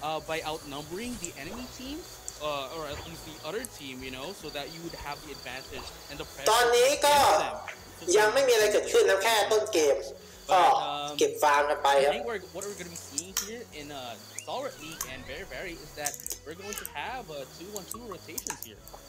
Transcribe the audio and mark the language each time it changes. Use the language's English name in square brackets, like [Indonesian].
[English] by outnumbering the enemy team or at least the other team you know so that you would have the advantage and the [Thai] ตอนนี้ก็ยังไม่มีอะไรเกิดขึ้นนะแค่ต้นเกมก็เก็บฟาร์มกันไปครับ [English] what are we going to be seeing here in Solar League and very very is that we're going to have a 2-1-2 rotations here